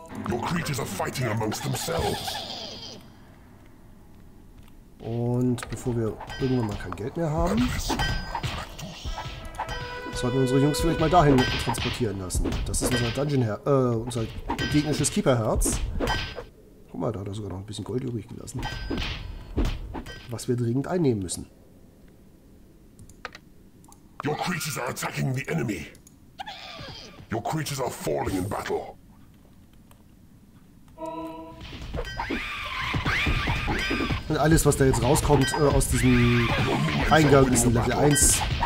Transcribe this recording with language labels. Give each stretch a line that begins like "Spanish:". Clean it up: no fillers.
English: Your creatures are fighting amongst themselves.
German: Und bevor wir irgendwann mal kein Geld mehr haben, sollten wir unsere Jungs vielleicht mal dahin transportieren lassen. Das ist unser unser gegnerisches Keeperherz. Guck mal, da hat er sogar noch ein bisschen Gold übrig gelassen. Was wir dringend einnehmen müssen.
English: Your creatures are attacking the enemy. Your creatures are falling in battle.
German: Und alles, was da jetzt rauskommt aus diesem Eingang, ist ein Level 1.